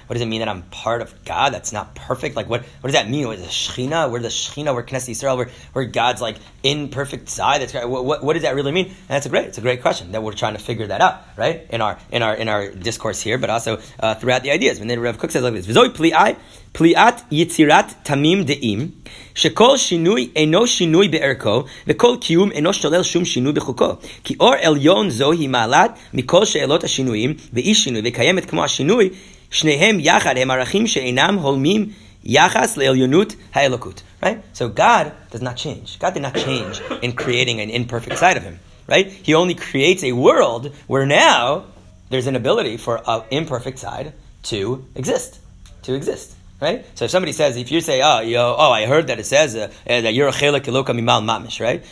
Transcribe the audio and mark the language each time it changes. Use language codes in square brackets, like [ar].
[en] What does it mean that I'm part of God that's not perfect? Like what does that mean? What is the Shechina? We're the Shechina. We're Knesset Yisrael. We're God's like imperfect side. That's what does that really mean? And that's a great question that we're trying to figure that out, right? In our discourse here, but also throughout the ideas. And then Rav Kook says like this, [he] V'zoi pli'ai. פליאת יצירת תמים דאים, שכל שינוי אינו שינוי בערכו, וכל קיום אינו שולל שום שינוי בחוקו. כי אור עליון זו היא מעלת מכל שאלות השינויים, ואי שינוי, וקיימת כמו השינוי, שניהם יחד הם ערכים שאינם הולמים יחס לעליונות האלוקות. [en] Right? So God does not change. God did not change in creating an imperfect side of him. Right? He only creates a world where now there's an ability for an imperfect side to exist. Right? So if somebody says, if you say, I heard that it says that you're a [he] chelek eloka mimal mamish, [en] right?